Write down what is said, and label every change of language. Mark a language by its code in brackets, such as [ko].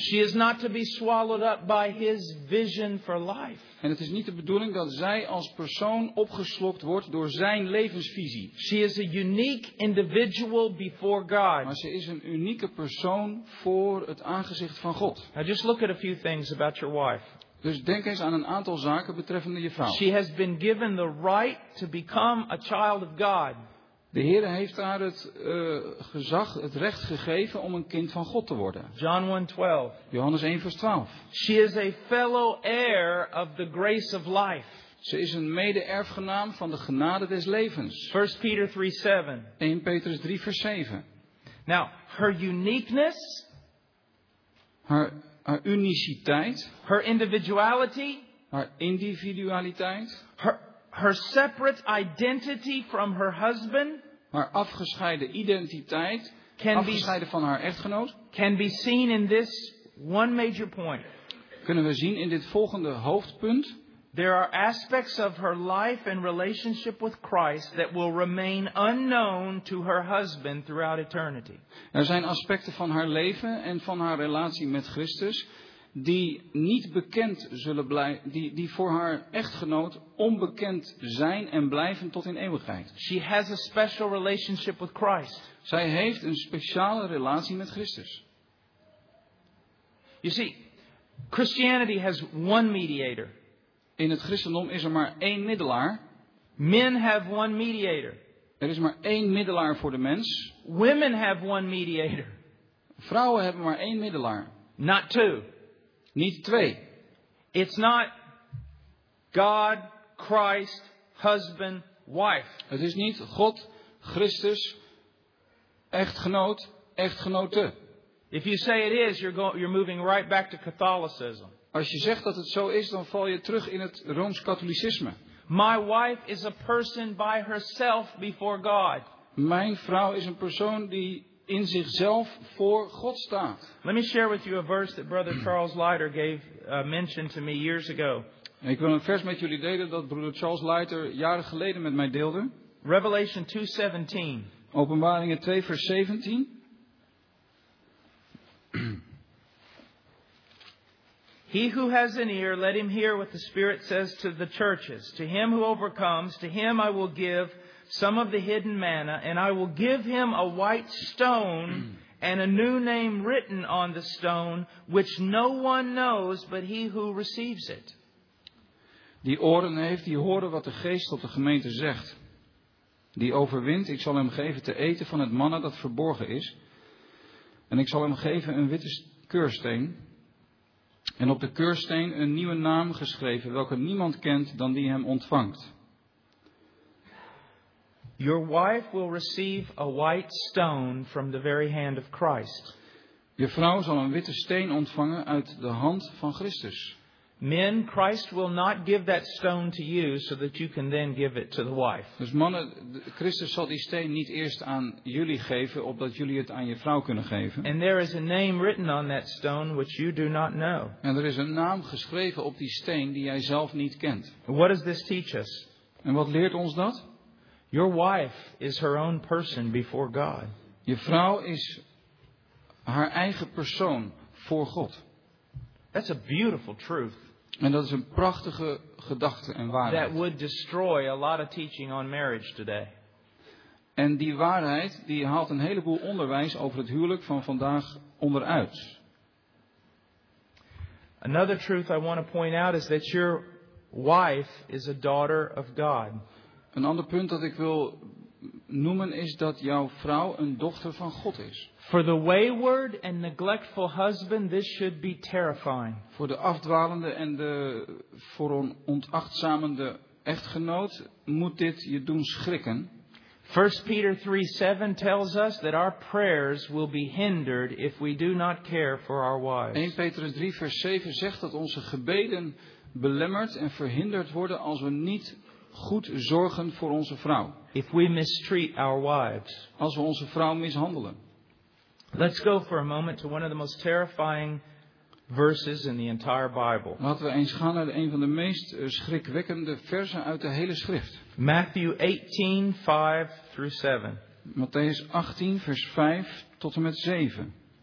[en] She is not to be swallowed up by his vision for life. [nl] En het is niet de bedoeling dat zij als persoon opgeslokt wordt door zijn levensvisie. [en] She is a unique individual before God. [nl] Maar ze is een unieke persoon voor het aangezicht van God. [en] Now just look at a few things about your wife. [nl] Dus denk eens aan een aantal zaken betreffende je vrouw. [en] She has been given the right to become a child of God. [nl] De Heer heeft haar het gezag, het recht gegeven om een kind van God te worden. Johannes 1 vers 12. [en] She is a fellow heir of the grace of life. [nl] Ze is een mede-erfgenaam van de genade des levens. 1 Petrus 3 vers 7. [en] Now, her uniqueness, [nl] haar uniciteit, [en] her individuality, [nl] haar individualiteit, [en] her separate identity from her husband, [nl] haar afgescheiden identiteit, afgescheiden van haar echtgenoot, [en] can be seen in this one major point. [nl] Kunnen we zien in dit volgende hoofdpunt. [en] There are aspects of her life and relationship with Christ that will remain unknown to her husband throughout eternity. [nl] Er zijn aspecten van haar leven en van haar relatie met Christus die niet bekend zullen blijven, die voor haar echtgenoot onbekend zijn en blijven tot in eeuwigheid. [en] She has a special relationship with Christ. [nl] Zij heeft een speciale relatie met Christus. [en] You see, Christianity has one mediator. [nl] In het christendom is er maar één middelaar. [en] Men have one mediator. [nl] Er is maar één middelaar voor de mens. [en] Women have one mediator. [nl] Vrouwen hebben maar één middelaar. [en] Not two. [nl] Niet twee. [en] It's not God, Christ, husband, wife. [nl] Het is niet God, Christus, echtgenoot, echtgenote. [en] If you say it is, you're moving right back to Catholicism. [nl] Als je zegt dat het zo is, dan val je terug in het Rooms-Katholicisme. [en] My wife is a person by herself before God. [nl] Mijn vrouw is een persoon die in zichzelf voor God staat. [en] Let me share with you a verse that Brother Charles Leiter gave mentioned to me years ago. [nl] Ik wil een vers met jullie delen dat Broeder Charles Leiter jaren geleden met mij deelde. [en] Revelation 2:17. [nl] Openbaringen 2 vers 17. [en] He who has an ear, let him hear what the Spirit says to the churches. To him who overcomes, to him I will give some of the hidden manna, and I will give him a white stone and a new name written on the stone, which no one knows but he who receives it. [nl] Die oren heeft, die horen wat de Geest tot de gemeente zegt. Die overwint, ik zal hem geven te eten van het manna dat verborgen is. En ik zal hem geven een witte keursteen. En op de keursteen een nieuwe naam geschreven, welke niemand kent dan die hem ontvangt. [en] Your wife will receive a white stone from the very hand of Christ. [nl] Je vrouw zal een witte steen ontvangen uit de hand van Christus. [en] Men, Christ will not give that stone to you so that you can then give it to the wife. [nl] Dus mannen, Christus zal die steen niet eerst aan jullie geven, opdat jullie het aan je vrouw kunnen geven. [en] And there is a name written on that stone which you do not know. [nl] En er is een naam geschreven op die steen die jij zelf niet kent. [en] What does this teach us? [nl] En wat leert ons dat? [en] Your wife is her own person before God. [nl] Je vrouw is haar eigen persoon voor God. [en] That's a beautiful truth. [nl] En dat is een prachtige gedachte en waarheid. [en] That would destroy a lot of teaching on marriage today. [nl] En die waarheid die haalt een heleboel onderwijs over het huwelijk van vandaag onderuit. [en] Another truth I want to point out is that your wife is a daughter of God. [nl] Een ander punt dat ik wil noemen is dat jouw vrouw een dochter van God is. [en] For the wayward and neglectful husband, this should be terrifying. [nl] Voor de afdwalende en de voor een ontachtzamende echtgenoot moet dit je doen schrikken. [en] 1 Peter 3:7 tells us that our prayers will be hindered if we do not care for our wives. [nl] 1 Petrus 3 vers 7 zegt dat onze gebeden belemmerd en verhinderd worden als we niet goed zorgen voor onze vrouw. [en] If we mistreat our wives. [nl] Als we onze vrouw mishandelen. [en] Let's go for a moment to one of the most terrifying verses in the entire Bible. [nl] Laten we eens gaan naar een van de meest schrikwekkende versen uit de hele schrift. [en] Matthew 18, 5 through 7. [nl] Matthäus 18, vers 5 tot en met 7.